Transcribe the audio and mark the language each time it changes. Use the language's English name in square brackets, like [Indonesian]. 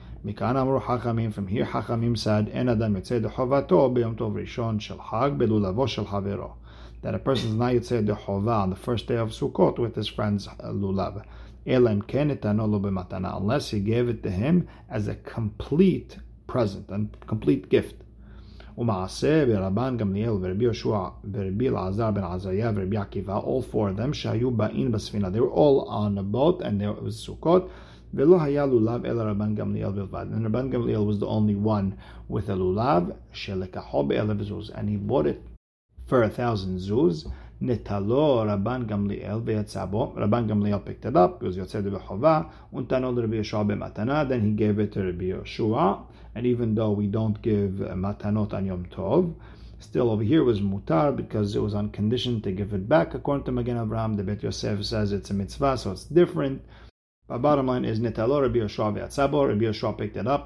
[Hebrew] מכאן אמרו חכמים, [English] from here חכמים said, [Hebrew] אין אדם יוצא דחובתו ביום טוב ראשון של חג בלולבו של חברו. [English] That a person is not יוצא דחובה on the first day of Sukkot with his friend's lulav. [Hebrew] אלא אם כן נתנו לו במתנה, [English] unless he gave it to him as a complete present, a complete gift. [Hebrew] ומעשה ברבן גמליאל ורבי יהושע ורבי אלעזר בן עזריה ורבי עקיבא, [English] all four of them [Hebrew] שהיו באים בספינה. [English] They were all on a boat and there was Sukkot. [Hebrew] ולא היה לולב אלא רבן גמליאל בלבד. [English] And רבן גמליאל was the only one with a lulav [Hebrew] שלקחו באלף זוז. [English] And he bought it for 1,000 zuz. [Hebrew] נטלו רבן גמליאל ויצא בו. רבן גמליאל [English] picked it up, [Hebrew] הוא יוצא דבר חובה, ונתנו לרבי יהושע במתנה. [English] Then he gave it to רבי יהושע. And even though we don't give matanot on Yom Tov, still over here was mutar because it was on condition to give it back. According to Magen Avraham, the Bet Yosef says it's a mitzvah, so it's different. But bottom line is [Hebrew] netalo Rabbi Yoshua ve'atzabo. [English] Rabbi Yoshua picked it up.